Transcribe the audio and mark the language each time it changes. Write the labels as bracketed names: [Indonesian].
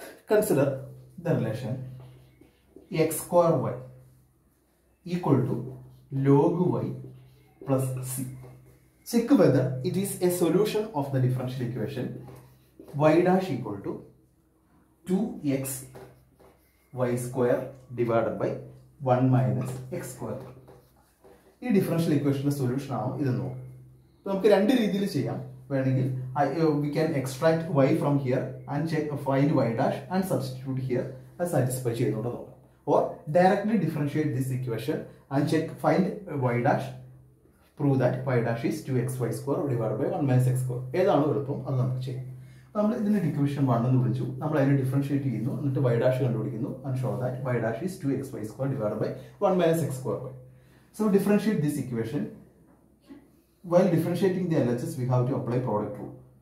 [English] Consider the relation x square y equal to log y plus c. Check whether it is a solution of the differential equation y dash equal to 2x y square divided by 1 minus x square. [Malayalam] ഈ differential ഇക്വേഷന്റെ solution ആണോ ഇത് നോക്കാം. നമുക്ക് രണ്ട് രീതിയിൽ ചെയ്യാം. വേണമെങ്കിൽ [English] we can extract y from here and check find y dash and substitute here and satisfy [Malayalam] ചെയ്യുന്നുണ്ട് നോക്കാം. [English] Or directly differentiate this equation and check find y dash. Prove that y dash is 2xy square divided by 1 minus x square. [Malayalam] ഏതാണ് എളുപ്പം അത് നമുക്ക് ചെയ്യാം. നമ്മൾ ഇതിന് ഡിക്വേഷൻ 1 എന്ന് വിളിച്ചു. നമ്മൾ അതിനെ ഡിഫറൻഷിയേറ്റ് ചെയ്യുന്നു, എന്നിട്ട് y dash കണ്ടുപിടിക്കുന്നു. [English] And show that y dash is 2xy square divided by 1 minus x square. So differentiate this equation. While differentiating the LHS we have to apply product rule.